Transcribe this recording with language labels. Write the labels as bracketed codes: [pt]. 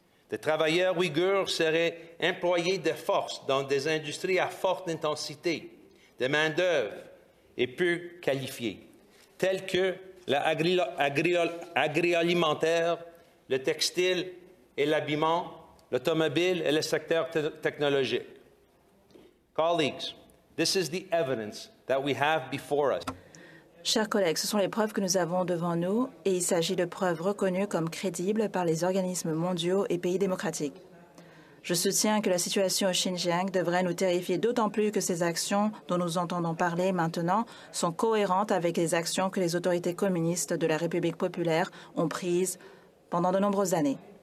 [fr] Des travailleurs ouïghours seraient employés de force dans des industries à forte intensité de main-d'œuvre et peu qualifiées, telles que l'agroalimentaire, le textile et l'habillement, l'automobile et le secteur technologique. [en] Colleagues, this is the evidence that we have before us. [fr] Chers collègues, ce sont les preuves que nous avons devant nous et il s'agit de preuves reconnues comme crédibles par les organismes mondiaux et pays démocratiques. Je soutiens que la situation au Xinjiang devrait nous terrifier d'autant plus que ces actions dont nous entendons parler maintenant sont cohérentes avec les actions que les autorités communistes de la République populaire ont prises pendant de nombreuses années.